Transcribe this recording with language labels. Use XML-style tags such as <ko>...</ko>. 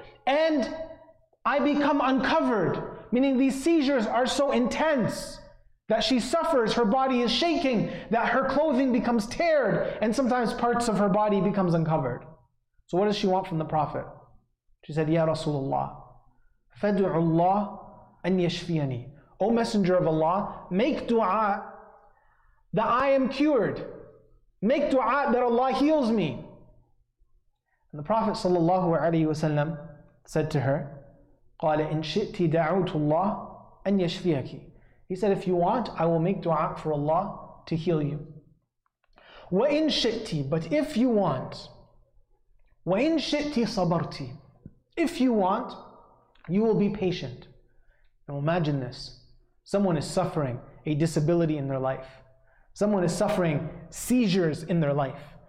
<en>And I become uncovered, meaning these seizures are so intense that she suffers, her body is shaking, that her clothing becomes teared, and sometimes parts of her body becomes uncovered. So what does she want from the Prophet? She said, Ya Rasulullah,</en> <ar>فَدُعُ اللَّهُ أَنْ يَشْفِيَنِي.</ar> <en>O Messenger of Allah, make dua that I am cured. Make dua that Allah heals me. And the Prophet ﷺ said to her,</en> <ar>قَالَ إِنْ شِئْتِ دَعُوتُ اللَّهُ أَنْ يَشْفِيَكِ.</ar> <en>He said, if you want, I will make dua for Allah to heal you.</en> <ar>وَإِنْ شِئْتِ,</ar> <en>but if you want,</en> <ar>وَإِنْ شِئْتِ صَبَرْتِ,</ar> <en>if you want, you will be patient. Now imagine this. Someone is suffering a disability in their life. Someone is suffering seizures in their life.</en>